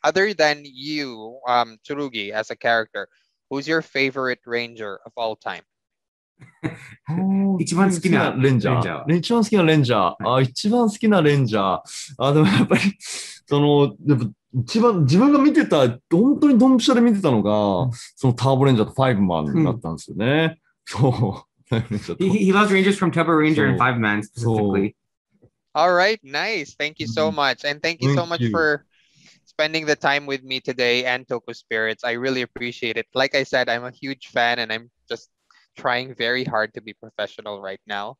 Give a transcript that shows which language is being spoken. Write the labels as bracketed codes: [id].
[en] Other than you, Tsurugi, as a character, who's your favorite ranger of all time? [ja] 一番好きなレンジャー。一番好きなレンジャー。一番好きなレンジャー。でもやっぱり、その、やっぱ一番自分が見てた、本当にドンピシャで見てたのが、そのターボレンジャーとファイブマンだったんですよね。そう。 [en] He loves Rangers from Turbo Ranger and Five Man specifically. All right, nice. Thank you so much. And thank you so much for spending the time with me today and TokuSpirits. I really appreciate it. Like I said, I'm a huge fan and I'm justTrying very hard to be professional right now.